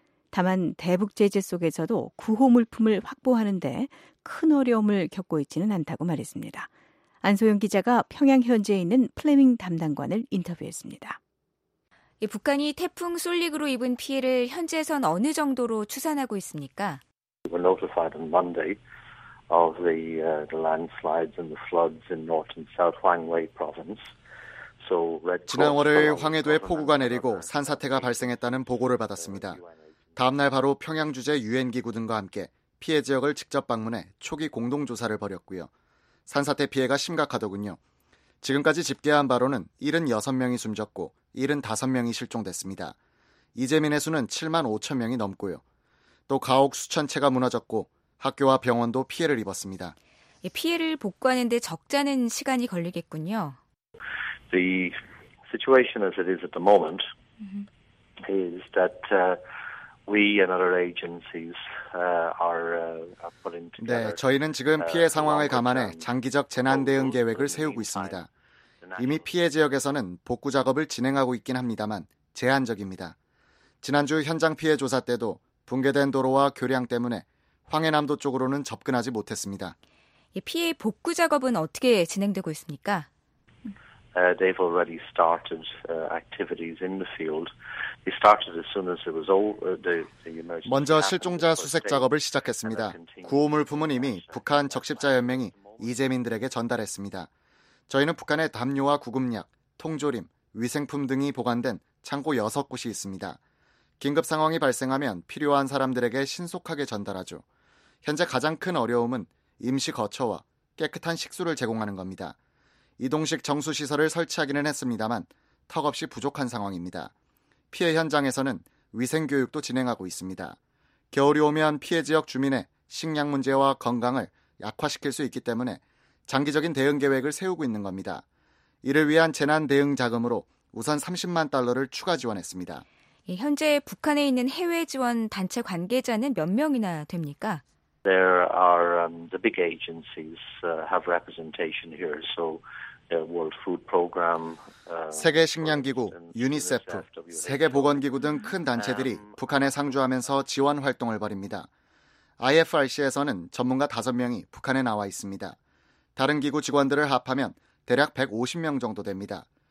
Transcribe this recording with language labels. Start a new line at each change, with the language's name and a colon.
Korean: 다만 대북 제재 속에서도 구호 물품을 확보하는 데 큰 어려움을 겪고 있지는 않다고 말했습니다. 안소영 기자가 평양 현지에 있는 플레밍 담당관을 인터뷰했습니다. 북한이 태풍 솔릭으로 입은 피해를 현재선 어느 정도로 추산하고 있습니까?
English: We're notified on Monday of the landslides and the floods in North and South Huanghe province.
Korean: 지난 월요일 황해도에 폭우가 내리고 산사태가 발생했다는 보고를 받았습니다. 다음 날 바로 평양 주재 유엔 기구 등과 함께 피해 지역을 직접 방문해 초기 공동 조사를 벌였고요. 산사태 피해가 심각하더군요. 지금까지 집계한 바로는 76명이 숨졌고 75명이 실종됐습니다. 이재민의 수는 7만 5천 명이 넘고요. 또 가옥 수천 채가 무너졌고 학교와 병원도 피해를 입었습니다. 피해를 복구하는 데 적잖은 시간이 걸리겠군요.
English: The situation as it is at the moment is that we and other agencies are put into.
Korean: 네, 저희는 지금 피해 상황을 감안해 장기적 재난 대응 계획을 세우고 있습니다. 이미 피해 지역에서는 복구 작업을 진행하고 있긴 합니다만 제한적입니다. 지난주 현장 피해 조사 때도 붕괴된 도로와 교량 때문에 황해남도 쪽으로는 접근하지 못했습니다. 피해 복구 작업은 어떻게 진행되고 있습니까?
English: They've already started activities in the field. They started as soon as it was all the emergency.
Korean: 먼저 실종자 수색 작업을 시작했습니다. 구호 물품은 이미 북한 적십자 연맹이 이재민들에게 전달했습니다. 저희는 북한의 담요와 구급약, 통조림, 위생품 등이 보관된 창고 6곳이 있습니다. 긴급 상황이 발생하면 필요한 사람들에게 신속하게 전달하죠. 현재 가장 큰 어려움은 임시 거처와 깨끗한 식수를 제공하는 겁니다. 이동식 정수시설을 설치하기는 했습니다만 턱없이 부족한 상황입니다. 피해 현장에서는 위생교육도 진행하고 있습니다. 겨울이 오면 피해 지역 주민의 식량 문제와 건강을 약화시킬 수 있기 때문에 장기적인 대응 계획을 세우고 있는 겁니다. 이를 위한 재난 대응 자금으로 우선 30만 달러를 추가 지원했습니다. 현재 북한에 있는 해외 지원 단체 관계자는 몇 명이나 됩니까?
English: There are the big agencies have representation here. So World Food Program,
Korean: 세계 식량 기구, 유니세프, 세계 보건 기구 등 큰 단체들이 북한에 상주하면서 지원 활동을 벌입니다. IFRC에서는 전문가 5명이 북한에 나와 있습니다. 다른 기구 직원들을 합하면 대략 150명 정도 됩니다.